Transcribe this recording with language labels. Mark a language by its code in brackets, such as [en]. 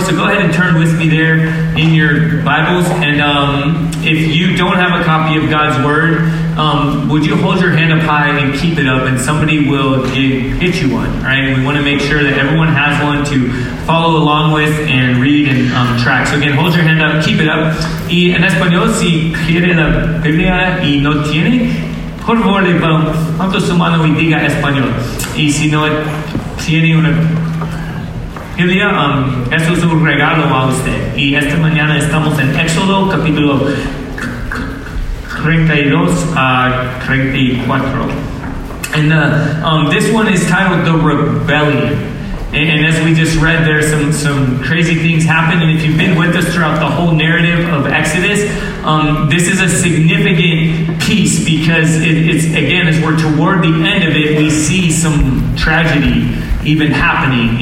[en] So go ahead and turn with me there in your Bibles. And if you don't have a copy of God's Word, would you hold your hand up high and keep it up, and somebody will get you one, right? We want to make sure that everyone has one to follow along with and read and track. So again, hold your hand up, keep it up. [es] Y en español, si quiere la Biblia y no tiene, por favor, levanta su mano y diga español. Y si no tiene una Biblia, eso es un regalo a usted. Y esta mañana estamos en Éxodo, capítulo 32 a 34. [en] And this one is titled The Rebellion. And as we just read there, some crazy things happened. And if you've been with us throughout the whole narrative of Exodus, this is a significant piece because it's, again, as we're toward the end of it, we see some tragedy even happening.